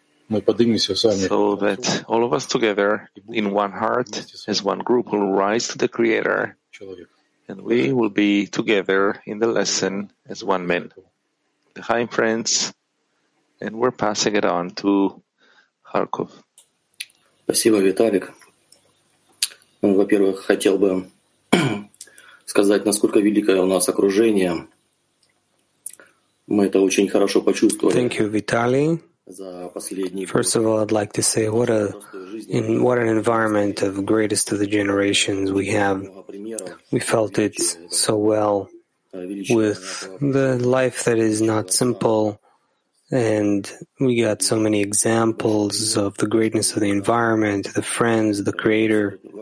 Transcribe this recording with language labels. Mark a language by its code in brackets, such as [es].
[en] so that all of us together in one heart, as one group, will rise to the Creator, and we will be together in the lesson as one man. Hi, friends, and we're passing it on to Kharkov. [ru] Спасибо, Виталик. Во-первых, хотел бы сказать, насколько великое у нас окружение. Мы это очень хорошо почувствовали. [en] Thank you, Vitaly. First of all, I'd like to say what an environment of greatest of the generations we have. We felt it so well with the life that is not simple, and we got so many examples of the greatness of the environment, the friends, the Creator.